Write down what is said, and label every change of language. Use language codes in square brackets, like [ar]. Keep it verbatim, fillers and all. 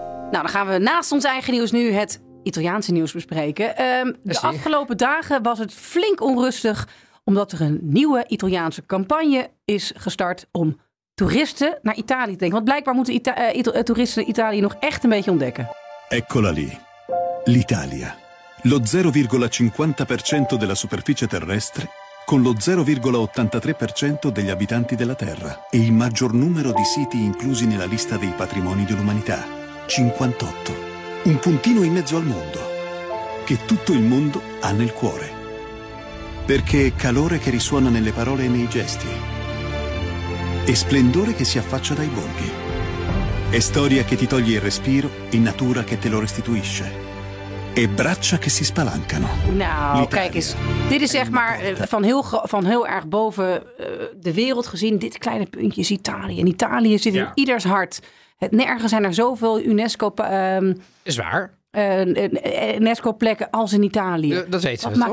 [nl] Nou, dan gaan we naast ons eigen nieuws nu het Italiaanse nieuws bespreken. Um, de afgelopen dagen was het flink onrustig... omdat er een nieuwe Italiaanse campagne is gestart om... toeristen naar Italië denken. Want blijkbaar moeten Ita- uh, Ita- uh, toeristen Italië nog echt een beetje ontdekken. [it] Eccola lì. L'Italia. Lo zero virgola cinquanta per cento della superficie terrestre con lo zero virgola ottantatré per cento degli abitanti della Terra e il maggior numero di siti inclusi nella lista dei patrimoni dell'umanità. cinquantotto. Un puntino in mezzo al mondo che tutto il mondo ha nel cuore. Perché è calore che risuona nelle parole e nei gesti. E splendore che si affaccia dai borghi. È storia che ti toglie il respiro e natura che te lo restituisce. E braccia che si spalancano. [nl] Nou, L'Italia. Kijk eens. Dit is zeg maar van heel, van heel erg boven uh, de wereld gezien. Dit kleine puntje is Italië. En Italië zit ja. in ieders hart. Het, nergens zijn er zoveel UNESCO... Um, is waar. Uh, UNESCO-plekken als in Italië. Ja, dat weten Wat we maakt